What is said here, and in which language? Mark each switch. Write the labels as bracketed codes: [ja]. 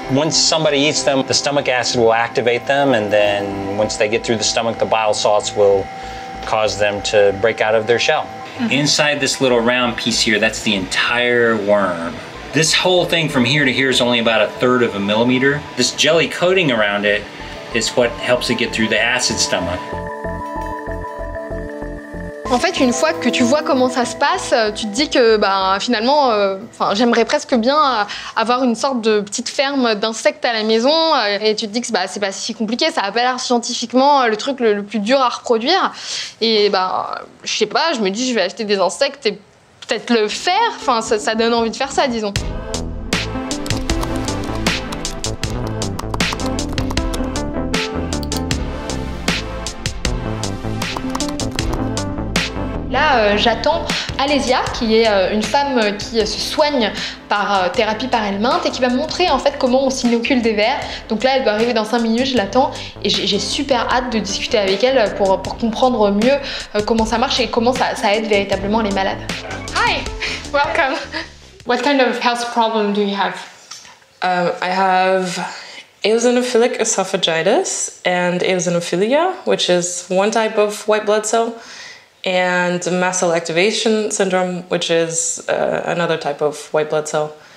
[en] Once somebody eats them, the stomach acid will activate them, and then once they get through the stomach, the bile salts will cause them to break out of their shell. Mm-hmm. Inside this little round piece here, that's the entire worm. This whole thing from here to here is only about a third of a millimeter. This jelly coating around it is what helps it get through the acid stomach. [fr] En fait, une fois que tu vois comment ça se passe, tu te dis que bah, finalement, fin, j'aimerais presque bien avoir une sorte de petite ferme d'insectes à la maison. Et tu te dis que bah, c'est pas si compliqué, ça a pas l'air scientifiquement le truc le plus dur à reproduire. Et bah, je sais pas, je me dis je vais acheter des insectes et peut-être le faire. Enfin, ça donne envie de faire ça, disons. Là, j'attends Alésia, qui est une femme qui se soigne par thérapie par helmintes et qui va me montrer en fait comment on s'inocule des vers. Donc là, elle doit arriver dans 5 minutes, je l'attends et j'ai super hâte de discuter avec elle pour comprendre mieux comment ça marche et comment ça aide véritablement les malades. [en] Hi, welcome. What kind of health problem do you have? I have eosinophilic esophagitis and eosinophilia, which is one type of white blood cell. And mast cell activation syndrome, which is another type of white blood cell.